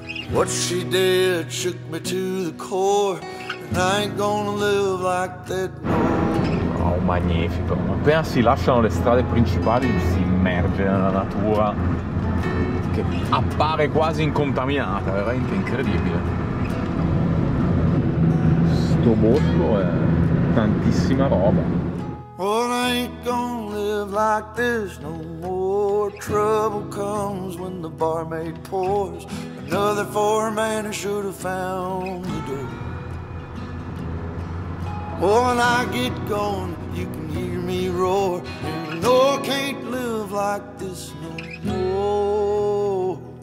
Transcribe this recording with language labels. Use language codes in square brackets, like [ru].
[en] What she did shook me to the core. And I ain't gonna live like that no more. Oh, magnifico! [it] Appena si lasciano le strade principali, si immerge nella natura che appare quasi incontaminata. Veramente incredibile. Bosco è tantissima roba. [en] Well, I ain't gonna live like this no more. Trouble comes when the barmaid pours another four man who should have found the door. When I get gone, you can hear me roar. You know I can't live like this no more.